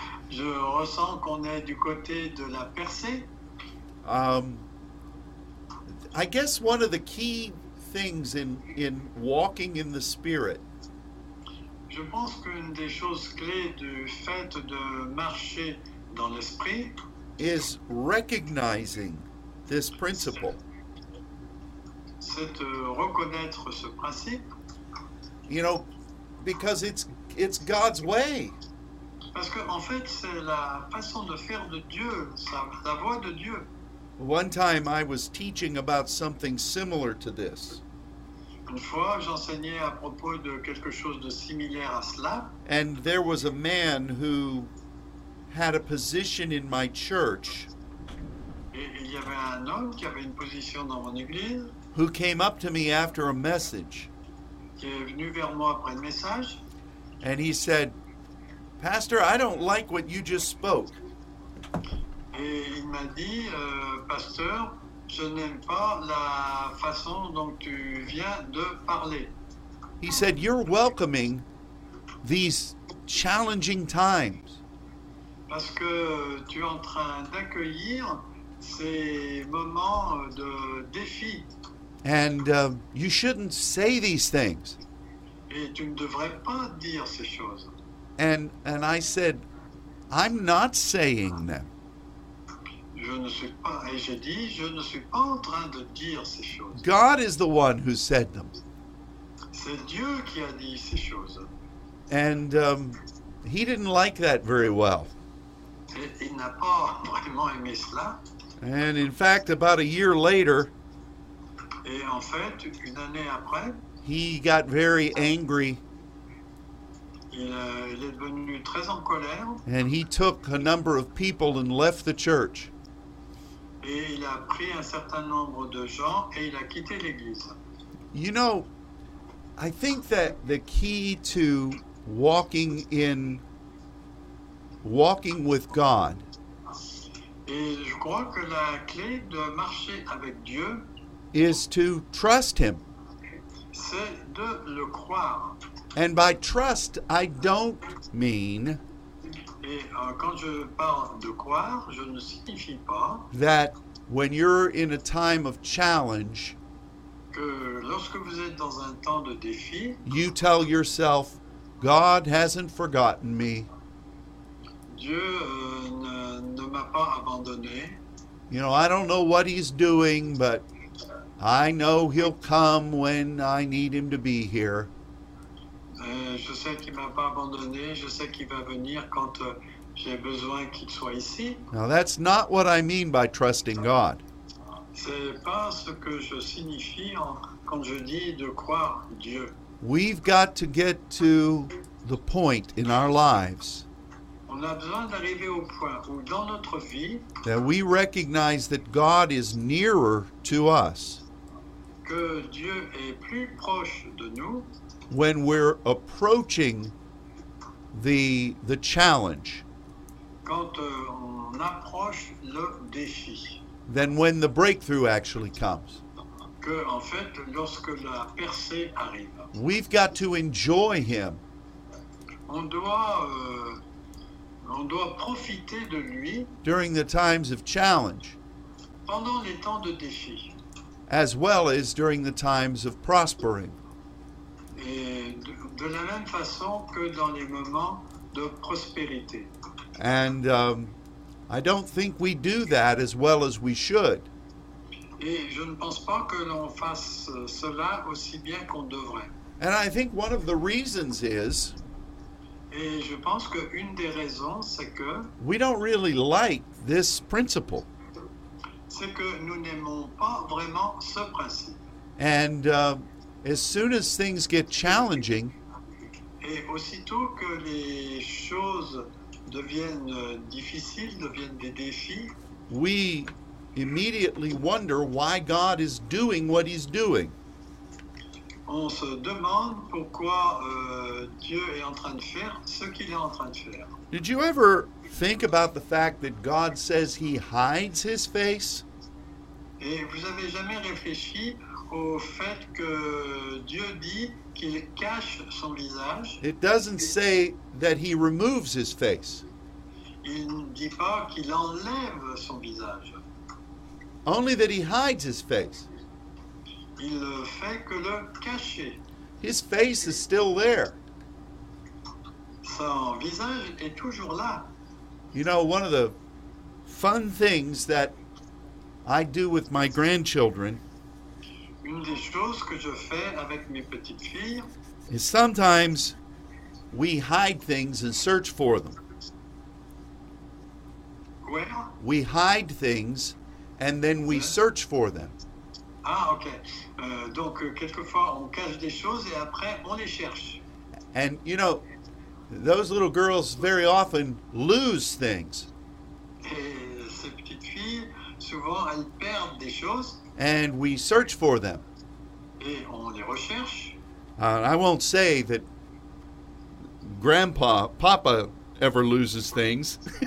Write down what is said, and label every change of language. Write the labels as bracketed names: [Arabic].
[French] Je ressens qu'on est du côté de la percée. [English] I guess one of the key things in walking in the Spirit. [French] Je pense qu'une des choses clés du fait de marcher dans l'esprit [English] is recognizing this principle. [French] c'est de reconnaître ce principe. [English] You know, because it's God's way. [French] Parce que en fait, c'est la façon de faire de Dieu, la voie de Dieu. [English] One time I was teaching about something similar to this. [French] Une fois, j'enseignais à propos de quelque chose de similaire à cela. [English] And there was a man who had a position in my church. [French] Et il y avait un homme qui avait une position dans mon église. [English] Who came up to me after a message. [French] Qui est venu vers moi après le message. [English] And he said, Pastor, I don't like what you just spoke. [French] Et il m'a dit, Pasteur, je n'aime pas la façon dont tu viens de parler. [English] He said, you're welcoming these challenging times. [French] Parce que tu es en train d'accueillir ces moments de défi. [English] And you shouldn't say these things. [French] Et tu ne devrais pas dire ces choses. [English] And I said, I'm not saying them. [French] Je ne suis pas, et j'ai dit, je ne suis pas en train de dire ces choses. [English] God is the one who said them. [French] C'est Dieu qui a dit ces choses. [English] And he didn't like that very well. [French] Et il n'a pas vraiment aimé cela. [English] And in fact, about a year later, [French] et en fait, une année après, [English] he got very angry. [French] Il est devenu très en colère. [English] And he took a number of people and left the church. [French] Et il a pris un certain nombre de gens et il a quitté l'église. [English] You know, I think that the key to walking with God. [French] Et je crois que la clé de marcher avec Dieu [English] is to trust him. [French] C'est de le croire. [English] And by trust, I don't mean [French] et, quand je parle de croire, je ne signifie pas [English] that when you're in a time of challenge, [French] que lorsque vous êtes dans un temps de défi, [English] you tell yourself, God hasn't forgotten me. [French] Dieu ne m'a pas abandonné. [English] You know, I don't know what he's doing, but I know he'll come when I need him to be here. [French] Je sais qu'il m'a pas abandonné, je sais qu'il va venir quand j'ai besoin qu'il soit ici. [English] Now that's not what I mean by trusting God. [French] C'est pas ce que je signifie quand je dis de croire Dieu. [English] We've got to get to the point in our lives. [French] On a besoin d'arriver au point où dans notre vie [English] that we recognize that God is nearer to us. [French] Que Dieu est plus proche de nous. [English] When we're approaching the challenge, [French] quand on approche le défi, [English] than when the breakthrough actually comes. [French] Que, en fait, lorsque la percée arrive, [English] we've got to enjoy him. [French] On doit profiter de lui [English] during the times of challenge, [French] pendant les temps de défi, [English] as well as during the times of prospering. [French] Et de la même façon que dans les moments de prospérité. [English] And I don't think we do that as well as we should. [French] Et je ne pense pas que l'on fasse cela aussi bien qu'on devrait. [English] And I think one of the reasons is, [French] et je pense que une des raisons c'est que [English] we don't really like this principle. [French] C'est que nous n'aimons pas vraiment ce principe. [English] And as soon as things get challenging, [French] et aussitôt que les choses deviennent difficiles, deviennent des défis, [English] we immediately wonder why God is doing what he's doing. [French] On se demande pourquoi Dieu est en train de faire ce qu'il est en train de faire. [English] Did you ever think about the fact that God says he hides his face? [French] Et vous avez jamais réfléchi au fait que Dieu dit qu'il cache son visage. [English] It doesn't say that he removes his face. [French] Il ne dit pas qu'il enlève son visage. [English] Only that he hides his face. [French] Il fait que le cacher. [English] His face is still there. [French] Son visage est toujours là. [English] You know, one of the fun things that I do with my grandchildren [French] une des choses que je fais avec mes petites filles [English] is sometimes we hide things and search for them. Where? We hide things and then we search for them. [French] Ah, ok. Donc, quelquefois, on cache des choses et après, on les cherche. [English] And, you know, those little girls very often lose things. [French] Et ces petites filles, souvent, elles perdent des choses. [English] And we search for them. [French] Et on les recherche. [English] I won't say that Grandpa, Papa ever loses things.